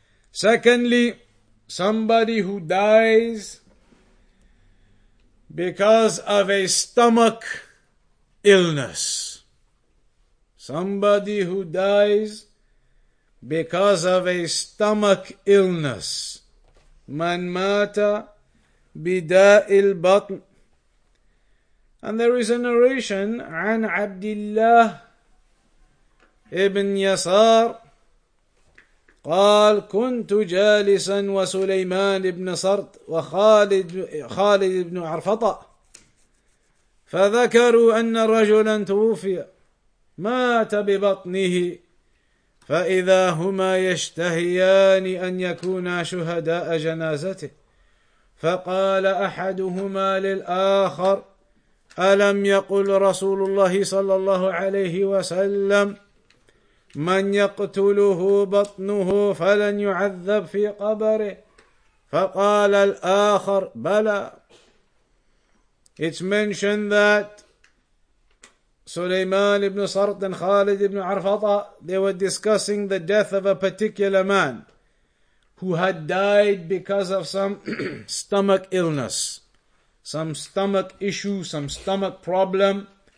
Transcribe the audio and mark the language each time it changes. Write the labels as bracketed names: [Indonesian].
[English] Secondly, somebody who dies because of a stomach illness. Somebody who dies because of a stomach illness. [Arabic] Man mata bida'il batn. [English] And there is a narration [Arabic] عن عبد الله ابن يسار قال كنت جالسا وسليمان ابن سرط وخالد خالد ابن عرفطة فذكروا أن رجلا توفي مات ببطنه فإذا هما يشتهيان أن يكونا شهداء جنازته فقال أحدهما للآخر ألم يقل رسول الله صلى الله عليه وسلم من يقتله بطنه فلن يعذب في قبره فقال الآخر بلى. [English] It's mentioned that Sulaiman ibn Sart and Khalid ibn Arfata, they were discussing the death of a particular man who had died because of some stomach illness, some stomach issue, some stomach problem.